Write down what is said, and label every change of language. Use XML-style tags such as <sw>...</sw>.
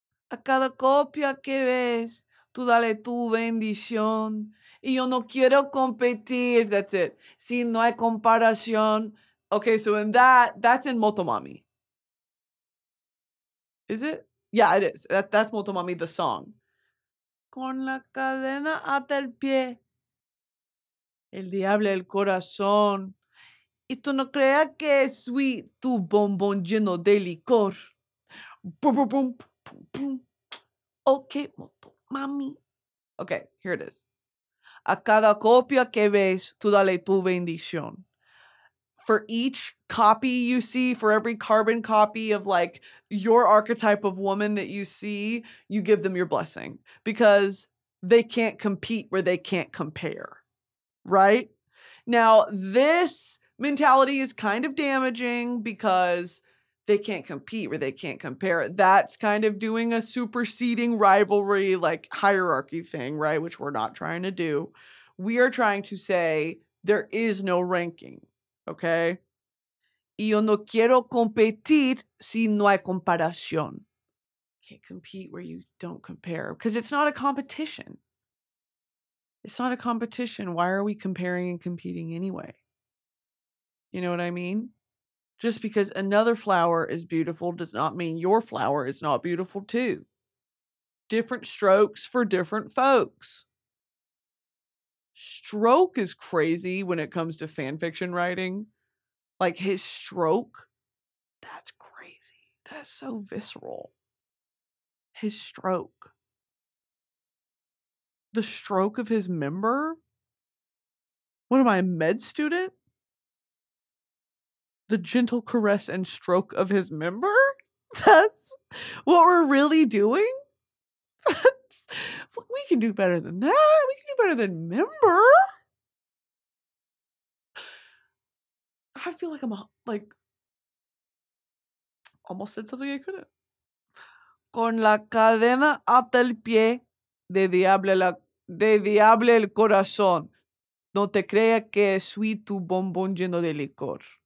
<es>A cada copia que ves, tú dale tu bendición. Y yo no quiero competir.</es> <en>That's it.</en> <es>Si no hay comparación.</es> <en>Okay, so in that's in Motomami. Is it? Yeah, it is. That's Motomami, the song.</en> <es>Con la cadena hasta el pie. El diablo el corazón. Y tú no creas que es sweet tu bombón lleno de licor. Boom, boom, boom, boom, boom.</es> <en>Okay, Motomami. Okay, here it is.</en> <es>A cada copia que ves, tú dale tu bendición.</es> <en>For each copy you see, for every carbon copy of like your archetype of woman that you see, you give them your blessing because they can't compete where they can't compare, right? Now, this mentality is kind of damaging because they can't compete where they can't compare. That's kind of doing a superseding rivalry, like hierarchy thing, right? Which we're not trying to do. We are trying to say there is no ranking, okay?</en> <es>Y yo no quiero competir si no hay comparación.</es> <en>Can't compete where you don't compare because it's not a competition. It's not a competition. Why are we comparing and competing anyway? You know what I mean? Just because another flower is beautiful does not mean your flower is not beautiful too. Different strokes for different folks. Stroke is crazy when it comes to fan fiction writing. Like his stroke, that's crazy. That's so visceral. His stroke. The stroke of his member? What am I, a med student? The gentle caress and stroke of his member? That's what we're really doing? We can do better than that. We can do better than member. I feel like I'm almost said something I couldn't.</en> <es>Con la cadena hasta el pie de diable el corazón. No te creas que es sweet tu bombón lleno de licor.</es>